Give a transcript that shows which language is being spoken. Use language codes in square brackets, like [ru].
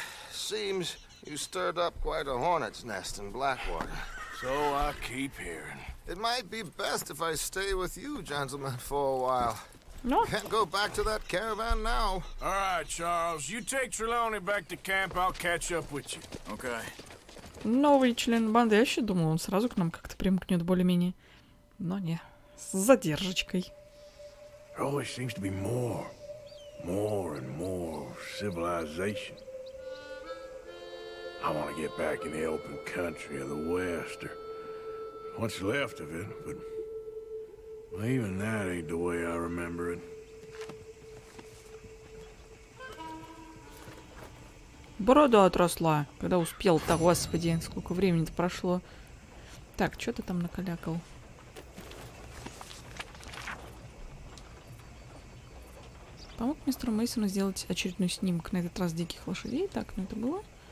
[en] Seems you stirred up quite a hornet's nest in Blackwater. So I keep hearing. It might be best if I stay with you, gentlemen, for a while. No. Can't go back to that caravan now. All right, Charles. You take Trelawney back to camp, I'll catch up with you. Okay. [ru] Новый член банды. Я еще думал, он сразу к нам как-то примкнет более-менее. Но не. С задержечкой. [en] There always seems to be more. More and more civilization. I want to get back in the open country of the West, or what's left of it, but well, even that ain't the way I remember it. [ru] Борода отросла, когда успел-то, господи, сколько времени-то прошло. Так, что ты там накалякал? Помог мистеру Мейсону сделать очередной снимок, на этот раз диких лошадей, так, ну это было...